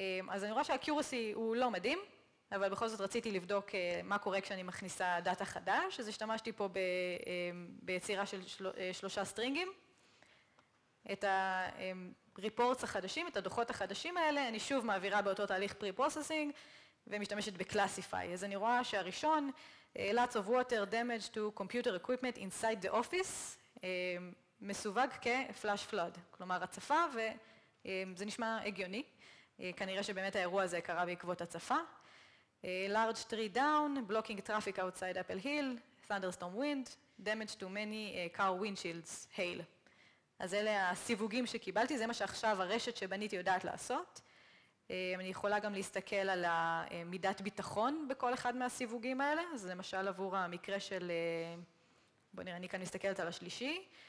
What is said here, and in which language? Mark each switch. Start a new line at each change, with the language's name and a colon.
Hebrew: אז אני רואה שהאקיורסי הוא לא מדהים, אבל בכל זאת רציתי לבדוק מה קורה כשאני מכניסה דאטה חדש, אז השתמשתי פה ביצירה של שלושה סטרינגים. את הריפורטס החדשים, את הדוחות החדשים האלה, אני שוב מעבירה באותו תהליך pre-processing ומשתמשת ב-classify. אז אני רואה שהראשון,
English: lots of water damage to computer equipment inside the office,
Hebrew: מסווג כ-flash flood, כלומר הצפה, וזה נשמע הגיוני. כנראה שבאמת האירוע הזה קרה בעקבות הצפה.
English: Large tree down, blocking traffic outside Apple Hill, thunderstorm wind, damage to many car windshields, hail.
Hebrew: אז אלה הסיווגים שקיבלתי, זה מה שעכשיו הרשת שבניתי יודעת לעשות. אני יכולה גם להסתכל על מידת ביטחון בכל אחד מהסיווגים האלה, אז למשל עבור המקרה של, בוא נראה, אני כאן מסתכלת על השלישי.